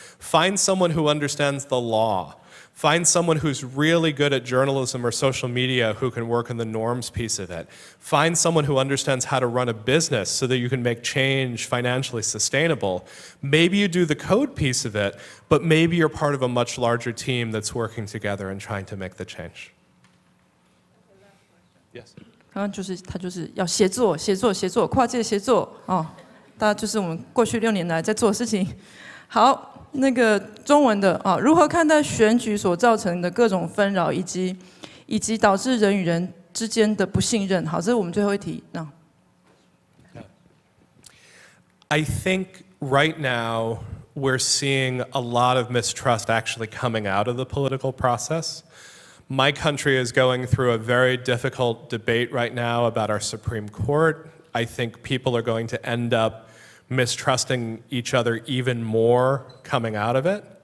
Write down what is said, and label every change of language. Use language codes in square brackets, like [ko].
[en] Find someone who understands the law. Find someone who's really good at journalism or social media who can work in the norms piece of it. Find someone who understands how to run a business so that you can make change financially sustainable. Maybe you do the code piece of it, but maybe you're part of a much larger team that's working together and trying to make the change. Yes. [zh] 刚刚就是他就是要协作，协作，协作，跨界协作哦。大家就是我们过去六年来在做事情。好。那个中文的啊，如何看待选举所造成的各种纷扰，以及导致人与人之间的不信任？好，这是我们最后一题。那 [en] ，I think right now we're seeing a lot of mistrust actually coming out of the political process. My country is going through a very difficult debate right now about our Supreme Court. I think people are going to end up. Mistrusting each other even more coming out of it.